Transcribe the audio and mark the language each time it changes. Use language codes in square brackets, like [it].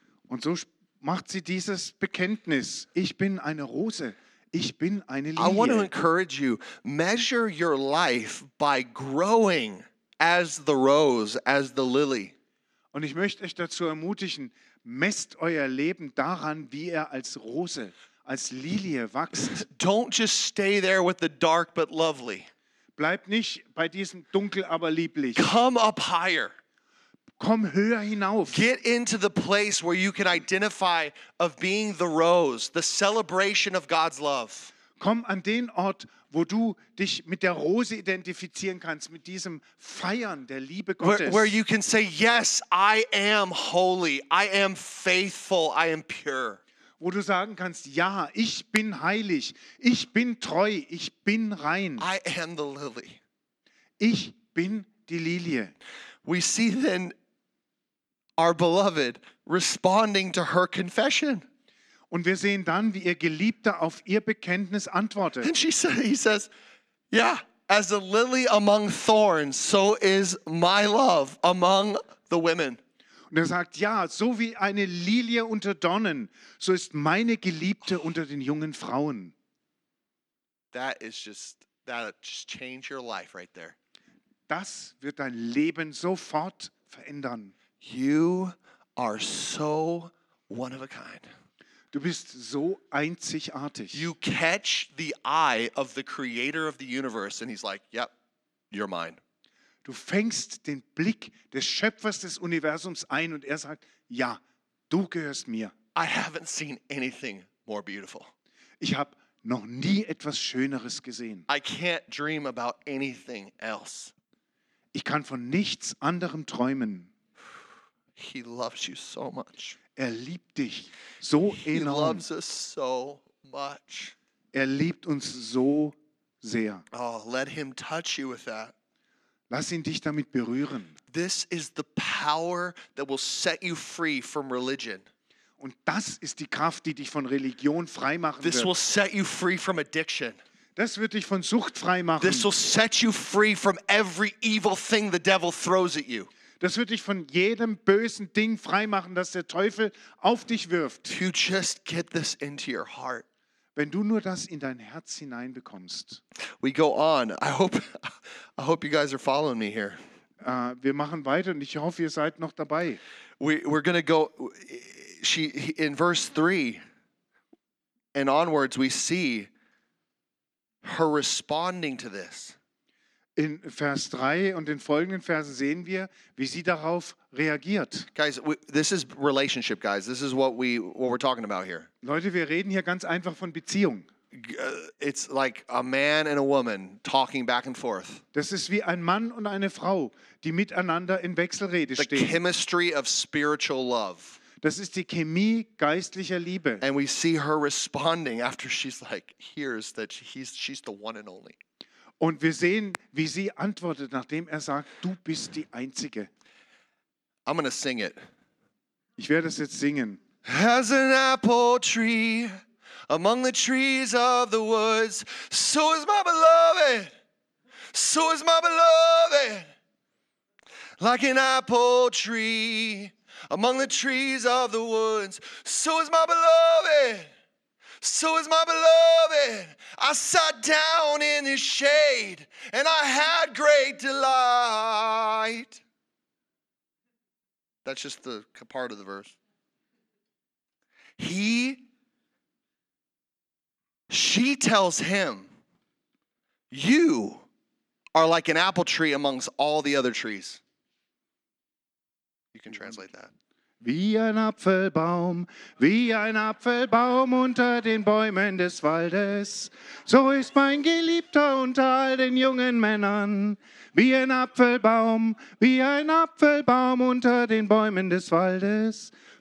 [de] Und so macht sie dieses Bekenntnis, ich bin eine Rose, ich bin eine Lilie. [en] I want to encourage you, measure your life by growing as the rose, as the lily. [de] Und ich möchte euch dazu ermutigen, messt euer Leben daran, wie als Rose, als Lilie wächst. [en] Don't just stay there with the dark but lovely. [de] Bleib nicht bei diesem Dunkel aber lieblich. [en] Come up higher. [de] Komm höher hinauf. [en] Get into the place where you can identify of being the rose, the celebration of God's love. [de] Komm an den Ort, wo du dich mit der Rose identifizieren kannst, mit diesem Feiern der Liebe Gottes. [en] Where you can say, yes, I am holy, I am faithful, I am pure. [de] Wo du sagen kannst, ja, ich bin heilig, ich bin treu, ich bin rein. [en] I am the lily. [de] Ich bin die Lilie. [en] We see then our beloved responding to her confession. [de] Und wir sehen dann, wie ihr Geliebter auf ihr Bekenntnis antwortet. [en] And he says, yeah, as a lily among thorns, so is my love among the women. [de] Und sagt, ja, so wie eine Lilie unter Dornen, so ist meine Geliebte unter den jungen Frauen. [en] That is just, that'll just change your life right there. [de] Das wird dein Leben sofort verändern. [en] You are so one of a kind. [de] Du bist so einzigartig. [en] You catch the eye of the creator of the universe and he's like, yep, you're mine. [de] Du fängst den Blick des Schöpfers des Universums ein und sagt, ja, du gehörst mir. [en] I haven't seen anything more beautiful. [de] Ich habe noch nie etwas Schöneres gesehen. [en] I can't dream about anything else. [de] Ich kann von nichts anderem träumen. [en] He loves you so much. [de] Er liebt dich so enorm. [en] He loves us so much. [de] Er liebt uns so sehr. [en] Oh, let him touch you with that. [de] Lass ihn dich damit berühren. [en] This is the power that will set you free from religion. [de] Und das ist die Kraft, die dich von Religion freimachen [en] This [de] wird. [en] Will set you free from addiction. [de] Das wird dich von Sucht freimachen. [en] This will set you free from every evil thing the devil throws at you. [de] Das wird dich von jedem bösen Ding freimachen, das der Teufel auf dich wirft. [en] You just get this into your heart. [de] Wenn du nur das in dein Herz hineinbekommst. [en] We go on. I hope you guys are following me here. [de] Wir machen weiter und ich hoffe, ihr seid noch dabei. [en] We're going to go in verse 3 and onwards we see her responding to this. [de] In Vers 3 und den folgenden Versen sehen wir, wie sie darauf reagiert. [en] Guys, this is relationship, guys. This is what we're talking about here. [de] Leute, wir reden hier ganz einfach von Beziehung. [en] It's like a man and a woman talking back and forth. [de] Das ist wie ein Mann und eine Frau, die miteinander in Wechselrede stehen. [en] The chemistry of spiritual love. [de] Das ist die Chemie geistlicher Liebe. [en] And we see her responding after she's like hears that she's the one and only. [de] Und wir sehen, wie sie antwortet, nachdem sagt, du bist die Einzige. [en] I'm gonna sing it. [de] Ich werde es jetzt singen. [en] As an apple tree among the trees of the woods, so is my beloved, so is my beloved. Like an apple tree among the trees of the woods, so is my beloved. So is my beloved. I sat down in his shade and I had great delight. That's just the part of the verse. She tells him, you are like an apple tree amongst all the other trees. You can translate that. [de] wie ein Apfelbaum unter den Bäumen des Waldes. So ist mein Geliebter unter all den jungen Männern. Wie ein Apfelbaum unter den Bäumen des Waldes.